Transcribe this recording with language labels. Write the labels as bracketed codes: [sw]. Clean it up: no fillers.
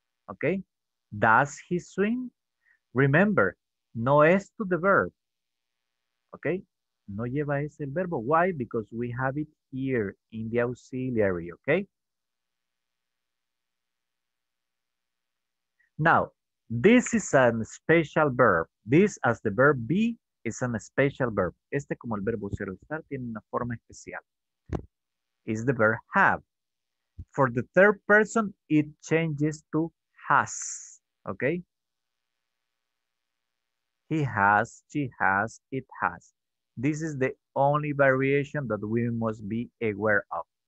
[en] Okay? Does he swim? Remember, no es to the verb, okay? [es] No lleva ese el verbo. [en] Why? Because we have it here in the auxiliary, okay? Now, this is a special verb. This, as the verb be, is a special verb. [es] Este, como el verbo ser o estar, tiene una forma especial. [en] Is the verb have. For the third person, it changes to has, okay? He has, she has, it has. This is the only variation that we must be aware of.